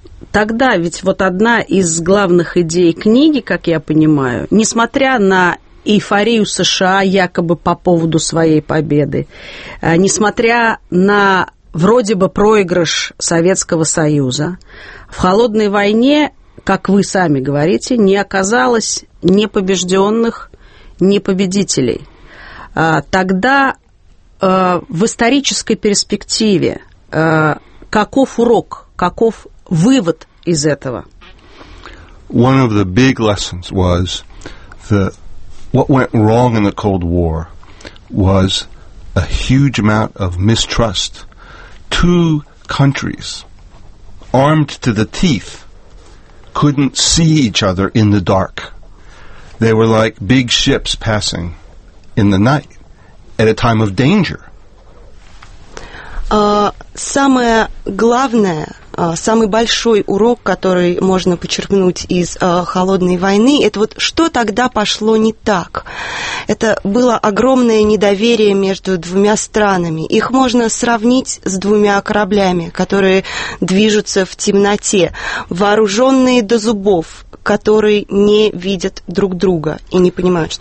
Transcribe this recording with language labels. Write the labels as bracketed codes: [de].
[ru] Тогда ведь вот одна из главных идей книги, как я понимаю, несмотря на эйфорию США якобы по поводу своей победы, несмотря на вроде бы проигрыш Советского Союза, в холодной войне, как вы сами говорите, не оказалось ни побежденных, ни победителей. Тогда в исторической перспективе каков урок, каков вывод из этого? [en] One of the big lessons was that what went wrong in the Cold War was a huge amount of mistrust. Two countries armed to the teeth couldn't see each other in the dark. They were like big ships passing in the night at a time of danger. [ru] Самое главное, самый большой урок, который можно почерпнуть из холодной войны, это вот что тогда пошло не так. Это было огромное недоверие между двумя странами. Их можно сравнить с двумя кораблями, которые движутся в темноте, вооруженные до зубов, которые не видят друг друга и не понимают, что